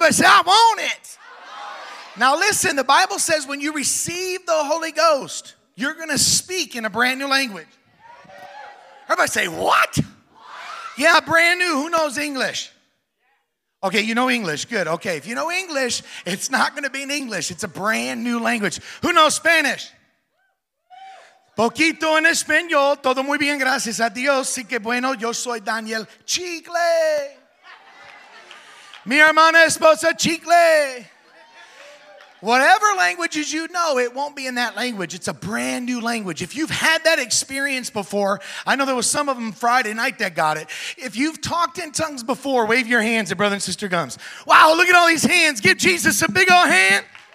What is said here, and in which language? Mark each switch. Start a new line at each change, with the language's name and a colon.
English: Everybody say, I want it. I want it. Now listen, the Bible says when you receive the Holy Ghost, you're going to speak in a brand new language. Everybody say, what? What? Yeah, brand new. Who knows English? Okay, you know English. Good. Okay, if you know English, it's not going to be in English. It's a brand new language. Who knows Spanish?
Spanish: Poquito en español, todo muy bien, gracias a Dios. Sí que bueno, yo soy Daniel Chicle. Mi hermana esposa Chicle.
English: Whatever languages you know, it won't be in that language. It's a brand new language. If you've had that experience before, I know there was some of them Friday night that got it. If you've talked in tongues before, wave your hands at Brother and Sister Gums. Wow, look at all these hands. Give Jesus a big old hand.